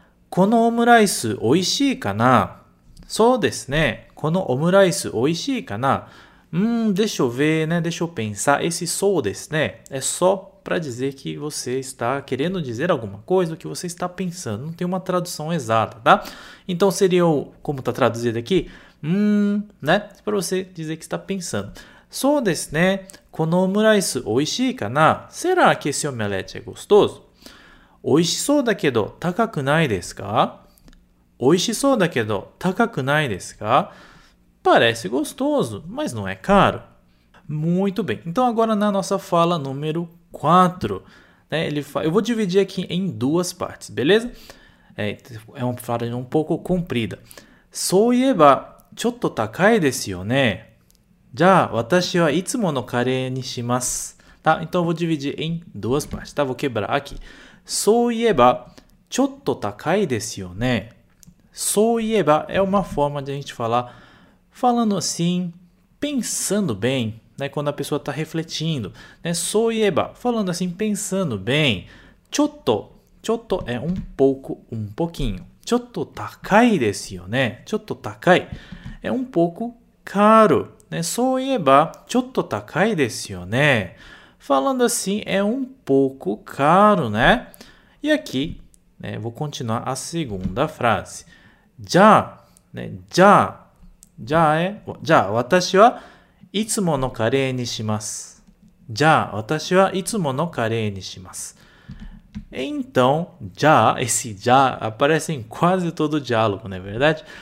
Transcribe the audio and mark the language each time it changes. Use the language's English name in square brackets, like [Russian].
[Japanese] このオムライス美味しいかな?そうですね。このオムライス美味しいかな? [Portuguese] deixa eu ver, né? Deixa eu pensar. Esse [Japanese] そうですね。 [Portuguese] É só para dizer que você está querendo dizer alguma coisa, que você está pensando. Não tem uma tradução exata, tá? Então seria o, como está traduzido aqui, né? Para você dizer que está pensando. [Japanese] そうですね。このオムライス美味しいかな? [Portuguese] Será que esse omelete é gostoso? [Japanese] おいしそうだけど高くないですか?おいしそうだけど高くないですか? [Portuguese] Parece gostoso, mas não é caro. Muito bem. Então agora na nossa fala número 4, né, eu vou dividir aqui em duas partes, beleza? É uma fala um pouco comprida. [Japanese] そういえばちょっと高いですよね。じゃあ私はいつものカレーにします。 [Portuguese] Tá? Então eu vou dividir em duas partes, tá? Vou quebrar aqui. [Japanese] そういえば、ちょっと高いですよね。 [Portuguese] そういえば、é uma forma de a gente falar, falando assim, pensando bem, né? Quando a pessoa está refletindo, né? そういえば、falando assim, pensando bem. ちょっと é um pouco, um pouquinho. [Japanese] ちょっと高いですよね。 [Portuguese] ちょっと高い é um pouco caro, né? [Japanese] そういえば、ちょっと高いですよね。 [Portuguese] Falando assim, é um pouco caro, né? E aqui, né, vou continuar a segunda frase. [Japanese] Já, né? Já, watashi wa itsumo no kare ni shimasu. [Portuguese] Já, [Japanese] watashi wa itsumo no kare ni shimasu. [Portuguese] Então, já, esse já aparece em quase todo o diálogo, não é verdade?